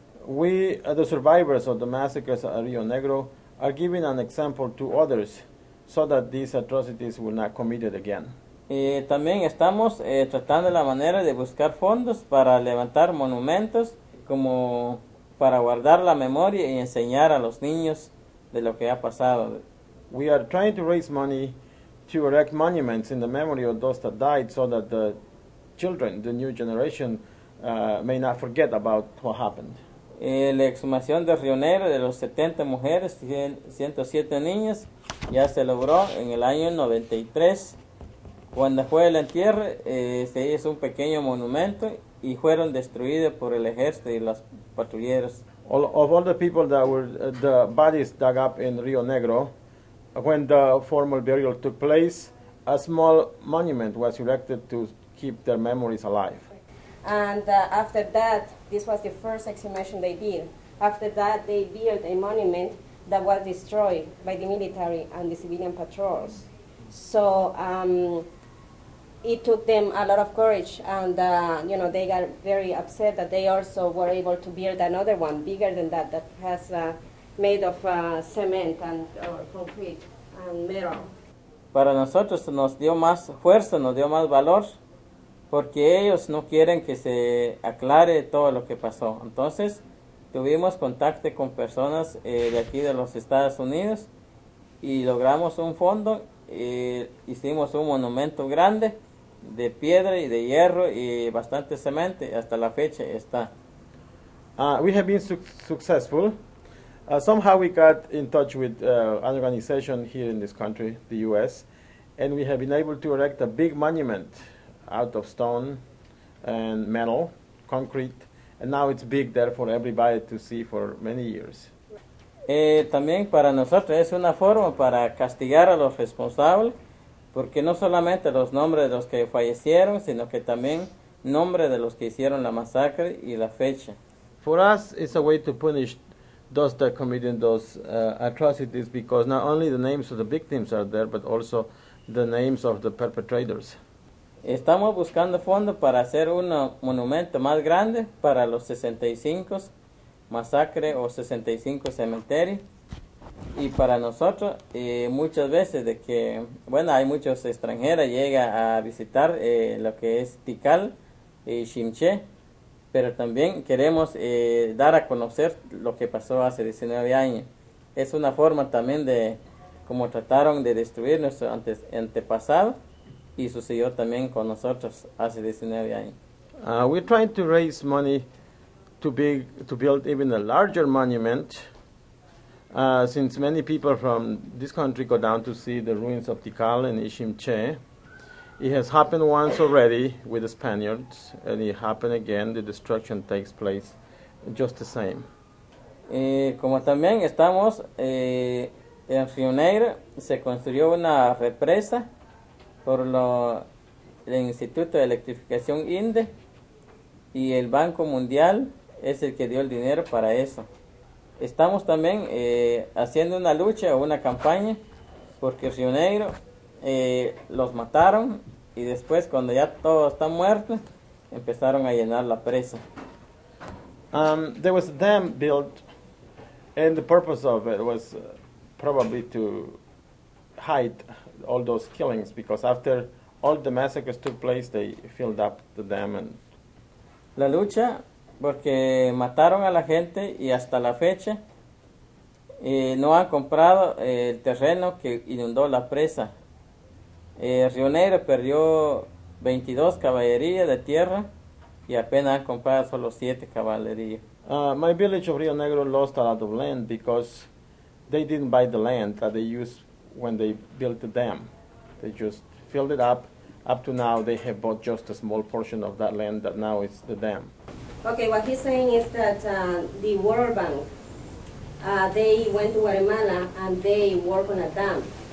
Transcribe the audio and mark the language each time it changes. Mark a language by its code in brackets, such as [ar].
[en] We, the survivors of the massacres at Río Negro, are giving an example to others so that these atrocities will not be committed again. [es] También estamos tratando la manera de buscar fondos para levantar monumentos como para guardar la memoria y enseñar a los niños de lo que ha pasado. [en] We are trying to raise money to erect monuments in the memory of those that died so that the children, the new generation, may not forget about what happened. [es] La exhumación de Río Negro de los 70 mujeres, 107 niños, ya se logró en el año 93 Cuando fue el entierro, se hizo un pequeño monumento y fueron destruidos por el ejército y los patrulleros. [en] Of all the people that were the bodies dug up in Rio Negro, when the formal burial took place, a small monument was erected to keep their memories alive. And after that, this was the first exhumation they did. After that, they built a monument that was destroyed by the military and the civilian patrols. So it took them a lot of courage, and you know, they got very upset that they also were able to build another one bigger than that, that has made of cement and or concrete and metal. [es] Para nosotros nos dio más fuerza, nos dio más valor, porque ellos no quieren que se aclare todo lo que pasó. Entonces tuvimos contacto con personas de aquí de los Estados Unidos y logramos un fondo. Hicimos un monumento grande de piedra y de hierro y bastante cemento. Hasta la fecha está. [en] We have been successful. Somehow we got in touch with an organization here in this country, the U.S., and we have been able to erect a big monument out of stone and metal, concrete, and now it's big there for everybody to see for many years. [es] También para nosotros es una forma para castigar a los responsables, porque no solamente los nombres de los que fallecieron, sino que también nombre de los que hicieron la masacre y la fecha. [en] For us, it's a way to punish those that committed those atrocities, because not only the names of the victims are there, but also the names of the perpetrators. [es] Estamos buscando fondos para hacer un monumento más grande para los 65 masacres o 65 cementerios. Y para nosotros, muchas veces de que, bueno, hay muchos extranjeros llega a visitar lo que es Tikal y Chimché, pero también queremos dar a conocer lo que pasó hace 19 años. Es una forma también de cómo trataron de destruir nuestro antepasado. Y sucedió también con nosotros hace 19 años. [en] We're trying to raise money to build even a larger monument, since many people from this country go down to see the ruins of Tikal and Chimché. It has happened once already with the Spaniards, and it happened again, the destruction takes place just the same. [es] Como también estamos en Río Negro, se construyó una represa por el Instituto de Electrificación INDE, y el Banco Mundial es el que dio el dinero para eso. Estamos también haciendo una lucha o una campaña porque Río Negro los mataron, y después, cuando ya todos están muertos, empezaron a llenar la presa. [en] There was a dam built, and the purpose of it was probably to hide all those killings, because after all the massacres took place, they filled up the dam. And [es] la lucha porque mataron a la gente, y hasta la fecha no han comprado el terreno que inundó la presa. Río Negro perdió 22 caballerías de tierra, y apenas han comprado solo 7 caballerías. [en] My village of Río Negro lost a lot of land because they didn't buy the land that they used when they built the dam. They just filled it up. Up to now, they have bought just a small portion of that land that now is the dam. Okay, what he's saying is that the World Bank, they went to Guatemala and they work on a dam.